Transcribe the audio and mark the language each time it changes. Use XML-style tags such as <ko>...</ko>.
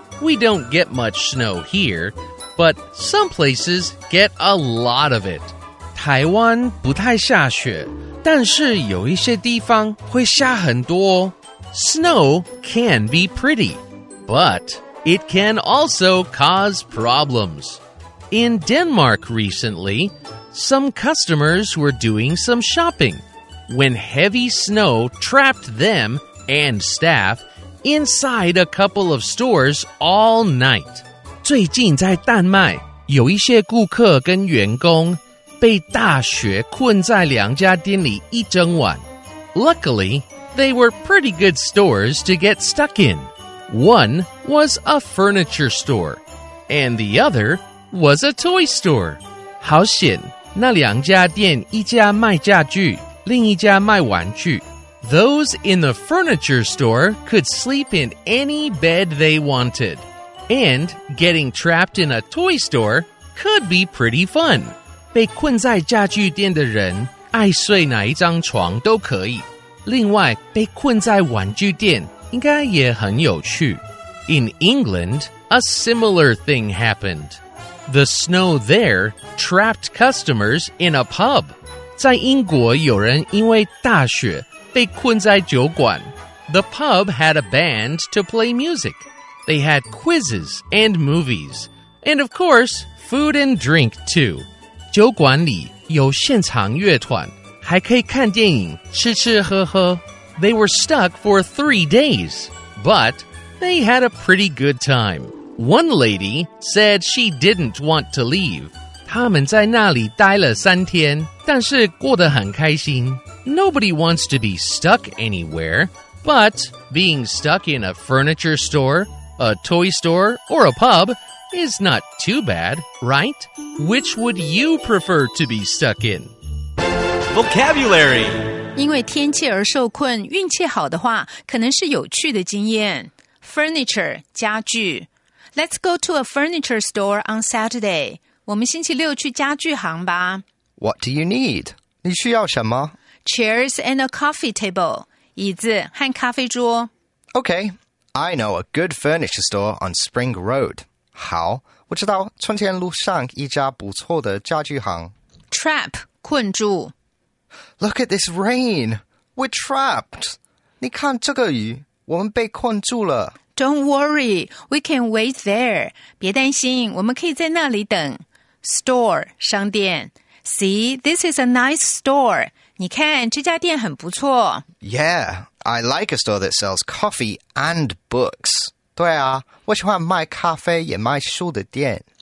<en>We don't get much snow here, but some places get a lot of it.</en> <zh>台湾不太下雪，但是有一些地方会下很多哦。</zh> <en>Snow can be pretty, but it can also cause problems. In Denmark recently, some customers were doing some shopping when heavy snow trapped them and staff inside a couple of stores all night.</en> <zh>最近在丹麦，有一些顾客跟员工被大雪困在两家店里一整晚。</zh> <en>Luckily, they were pretty good stores to get stuck in. One was a furniture store, and the other was a toy store.</en> <zh>好险，那两家店一家卖家具，另一家卖玩具。</zh> <en>Those in the furniture store could sleep in any bed they wanted. And getting trapped in a toy store could be pretty fun.</en> <zh>被困在家具店的人爱睡哪一张床都可以。另外，被困在玩具店应该也很有趣。</zh> <en>In England, a similar thing happened. The snow there trapped customers in a pub.</en> <zh>在英国有人因为大雪被困在酒馆。</zh> <en>The pub had a band to play music. They had quizzes and movies. And of course, food and drink too.</en> <zh>酒馆里有现场乐团，还可以看电影，吃吃喝喝。</zh> <en>They were stuck for 3 days, but they had a pretty good time. One lady said she didn't want to leave.</en> <zh>他们在那里待了三天，但是过得很开心。</zh> <en>Nobody wants to be stuck anywhere, but being stuck in a furniture store, a toy store, or a pub is not too bad, right? Which would you prefer to be stuck in? Vocabulary.</en> <zh>因为天气而受困，运气好的话，可能是有趣的经验。</zh> <en>Furniture, 家具。Let's go to a furniture store on Saturday.</en> <zh>我们星期六去家具行吧。</zh> <en>What do you need?</en> <zh>你需要什么？</zh> <en>Chairs and a coffee table.</en> <zh>椅子和咖啡桌。</zh> <en>Okay, I know a good furniture store on Spring Road.</en> <zh>好，我知道春天路上一家不错的家具行。</zh> <en>Trap, 困住。 Look at this rain. We're trapped.</en> <zh>你看这个雨，我们被困住了。</zh> <en>Don't worry, we can wait there.</en> <zh>别担心，我们可以在那里等。</zh> <en>Store, 商店。See, this is a nice store.</en> <zh>你看这家店很不错。</zh> <en>Yeah, I like a store that sells coffee and books.</en> <zh>对啊，我喜欢卖咖啡也卖书的店。</zh>